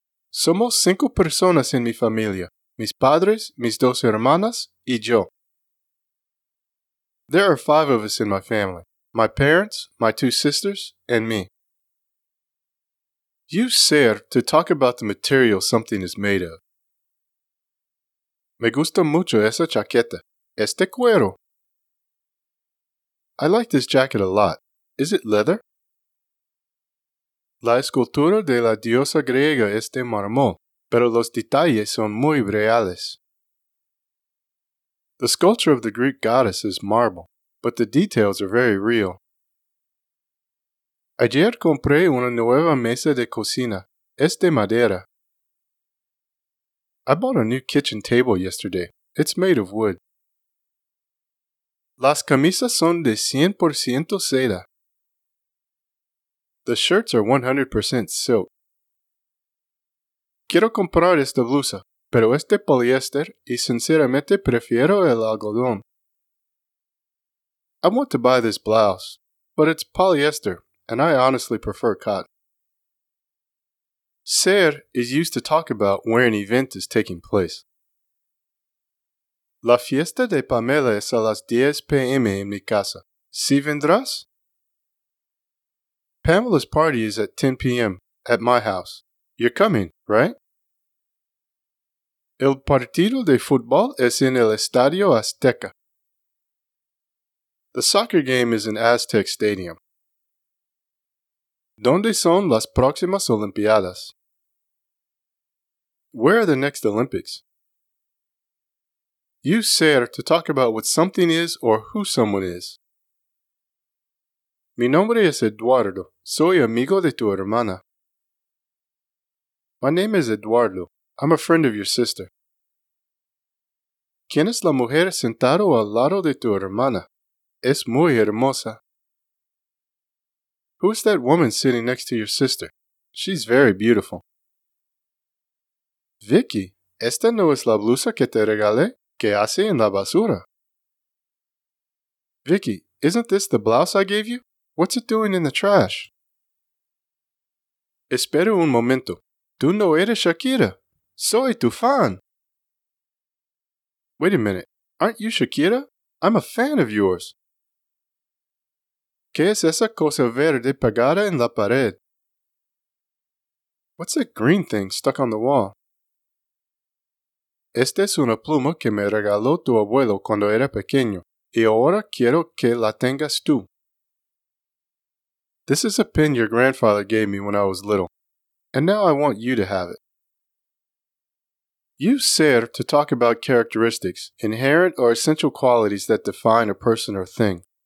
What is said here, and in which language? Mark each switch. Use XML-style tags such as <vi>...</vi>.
<es>Somos 5 personas en mi familia, mis padres, mis 2 hermanas, y yo.</es> <en>There are 5 of us in my family, my parents, my 2 sisters, and me. Use ser to talk about the material something is made of.</en> <es>Me gusta mucho esa chaqueta, este cuero.</es> <en>I like this jacket a lot. Is it leather?</en> <es>La escultura de la diosa griega es de mármol, pero los detalles son muy reales.</es> <en>The sculpture of the Greek goddess is marble, but the details are very real.</en> <es>Ayer compré una nueva mesa de cocina. Es de madera.</es> <en>I bought a new kitchen table yesterday. It's made of wood.</en> <es>Las camisas son de 100% seda.</es> <en>The shirts are 100% silk.</en> <es>Quiero comprar esta blusa, pero es de poliéster y sinceramente prefiero el algodón.</es> <en>I want to buy this blouse, but it's polyester, and I honestly prefer cotton. Ser is used to talk about where an event is taking place.</en> <es>La fiesta de Pamela es a las 10 p.m. en mi casa. ¿Sí vendrás?</es> <en>Pamela's party is at 10 p.m. at my house. You're coming, right?</en> <es>El partido de fútbol es en el Estadio Azteca.</es> <en>The soccer game is in Aztec Stadium.</en> <es>¿Dónde son las próximas Olimpiadas?</es> <en>Where are the next Olympics? Use ser to talk about what something is or who someone is.</en> <es>Mi nombre es Eduardo. Soy amigo de tu hermana.</es> <en>My name is Eduardo. I'm a friend of your sister.</en> <es>¿Quién es la mujer sentado al lado de tu hermana? Es muy hermosa.</es> <en>Who is that woman sitting next to your sister? She's very beautiful.</en> <es>Vicky, esta no es la blusa que te regalé. ¿Qué hace en la basura?</es> <en>Vicky, isn't this the blouse I gave you? What's it doing in the trash?</en> <es>Espera un momento. Tú no eres Shakira. Soy tu fan.</es> <en>Wait a minute. Aren't you Shakira? I'm a fan of yours.</en> <es>¿Qué es esa cosa verde pegada en la pared?</es> <en>What's that green thing stuck on the wall?</en> <es>Esta es una pluma que me regaló tu abuelo cuando era pequeño, y ahora quiero que la tengas tú.</es> <en>This is a pen your grandfather gave me when I was little, and now I want you to have it. Use ser to talk about characteristics, inherent or essential qualities that define a person or thing.</en>